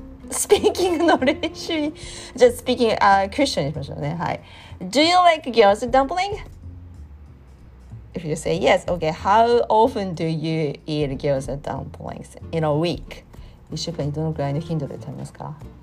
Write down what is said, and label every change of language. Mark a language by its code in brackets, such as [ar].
[ja] スピーキングの練習に、じゃあスピーキングクエスチョンにしましょうね。 [en] はい。Do you like gyoza dumpling? If you say yes, okay, how often do you eat gyoza dumplings in a week? [ja] 1週間にどのくらいの頻度で食べますか？